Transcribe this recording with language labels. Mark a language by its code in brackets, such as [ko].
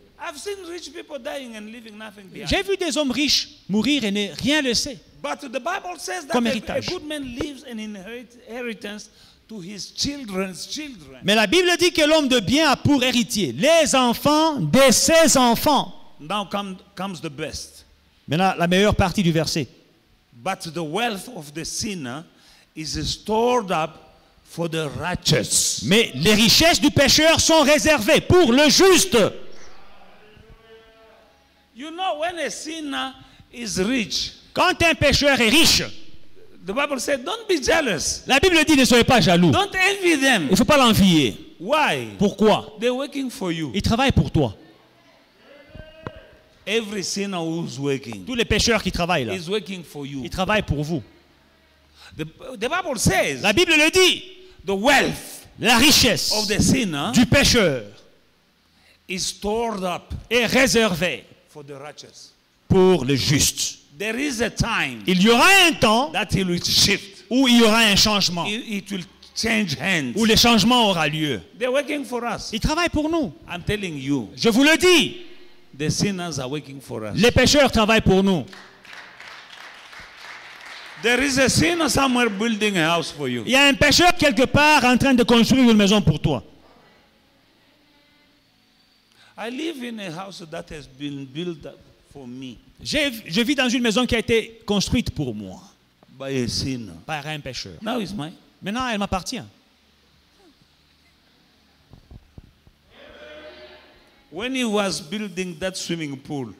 [en] I've seen rich people dying and leaving nothing behind. [fr] J'ai vu des hommes riches mourir et ne rien laisser. [en] But the Bible says that [fr] comme héritage. [en] A good man leaves an inheritance to his children's children. [fr] Mais la Bible dit que l'homme de bien a pour héritier les enfants de ses enfants. [en] Now comes the best. [fr] Maintenant, la meilleure partie du verset. [en] But the wealth of the sinner is stored up for the righteous. [fr] Mais les richesses du pécheur sont réservées pour le juste. [en] You know, when a sinner is rich, [fr] quand un pécheur est riche, [en] the Bible said, don't be jealous. [fr] La Bible dit ne soyez pas jaloux. [en] Don't envy them. [fr] Il ne faut pas l'envier. [en] Why? [fr] Pourquoi? [en] They're working for you. [fr] Ils travaillent pour toi. [en] Every sinner who's working. [fr] Tous les pécheurs qui travaillent là. [en] Is working for you. [fr] Ils travaillent pour vous. [en] The Bible says. [fr] La Bible le dit. [en] The wealth. [fr] La richesse. [en] Of the sinner. [fr] Du pécheur. [en] Is stored up. [fr] Est réservée. [en] For the righteous. [fr] Pour les justes. [en] There is a time. [fr] Il y aura un temps [en] that it will shift. [fr] Où il y aura un changement. [en] It will change hands. [fr] Où le changement aura lieu. [en] They're working for us. [fr] Ils travaillent pour nous. [en] I'm telling you. [fr] Je vous le dis. [en] The sinners are working for us. [fr] Les pécheurs travaillent pour nous. [en] There is a sinner somewhere building a house for you. [fr] Il y a un pécheur quelque part en train de construire une maison pour toi. [en] I live in a house that has been built for me. [fr] Je vis dans une maison qui a été construite pour moi. [en] By a sinner. [fr] Par un pécheur. [en] Now it's mine. [fr] Maintenant, elle m'appartient. [en] When he was building that swimming pool,